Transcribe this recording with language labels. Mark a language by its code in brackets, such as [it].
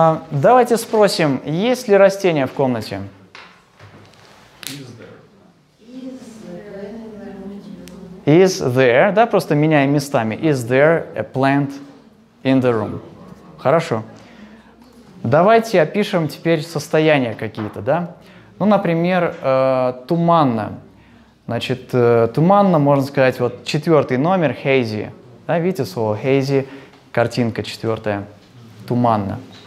[ru] Давайте спросим, есть ли растение в комнате? Is there, да, просто меняем местами. [en] Is there a plant in the room? [ru] Хорошо. Давайте опишем теперь состояния какие-то, да? Ну, например, туманно. Значит, туманно, можно сказать, вот четвертый номер, hazy. Да, видите слово hazy, картинка четвертая, туманно.